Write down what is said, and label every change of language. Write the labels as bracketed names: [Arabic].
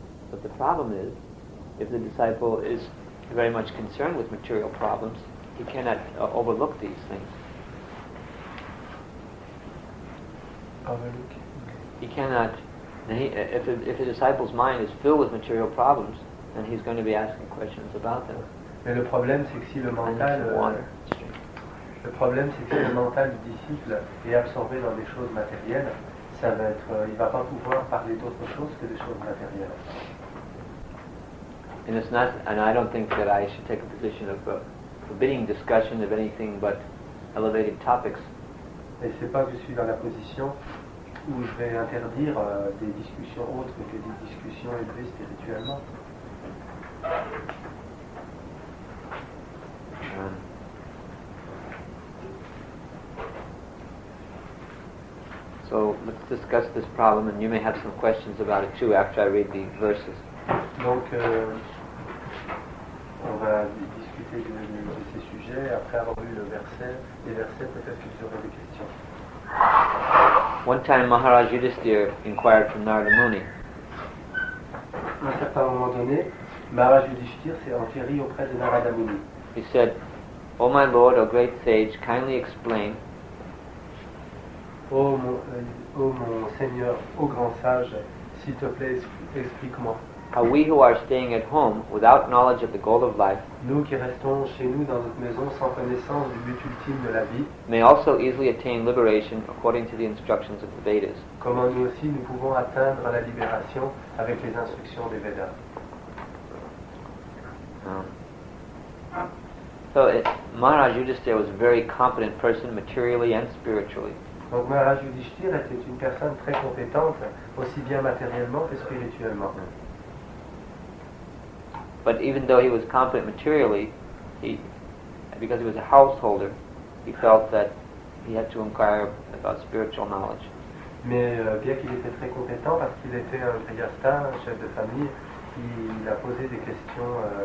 [English] But the problem is, if the disciple is very much concerned with material problems, he cannot overlook these things. Overlook? He cannot. If the disciple's mind is filled with material problems, then he's going to be asking questions about them. [French] Mais le problème, c'est que si le problème, c'est que si le mental du disciple est absorbé dans des choses matérielles, ça va être, il ne va pas pouvoir parler d'autre chose que des choses matérielles. [English] And it's not, and I don't think that I should take a position of forbidding discussion of anything but elevated topics. [French] Et c'est pas que je suis dans la position où je vais interdire des discussions autres que des discussions élevées spirituellement. [English] So let's discuss this problem, and you may have some questions about it too after I read the verses. [French] Donc, on va discuter de ces sujets après avoir lu les versets, peut-être que j'aurai des questions. [English] One time, Maharaj Yudhisthira inquired from Narada Muni. [French] À un certain moment donné, Maharaj Yudhisthira s'est enquéri auprès de Narada Muni. [English] He said, "Oh my lord, oh great sage, kindly explain." [French] Oh mon seigneur, oh grand sage, s'il te plaît, explique-moi. [English] how we who are staying at home without knowledge of the goal of life, [French] nous qui restons chez nous dans notre maison sans connaissance du but ultime de la vie, [English] may also easily attain liberation according to the instructions of the Vedas. [French] Comment nous aussi nous pouvons atteindre la libération avec les instructions des Vedas. [English] So Maharaj Yudhisthira was a very competent person materially and spiritually. [French] Donc Maharaj Yudhisthira était une personne très compétente, aussi bien matériellement que spirituellement. [English] But even though he was competent materially, because he was a householder, he felt that he had to inquire about spiritual knowledge. [French] Mais bien qu'il était très compétent parce qu'il était un Grihastha, un chef de famille, il a posé des questions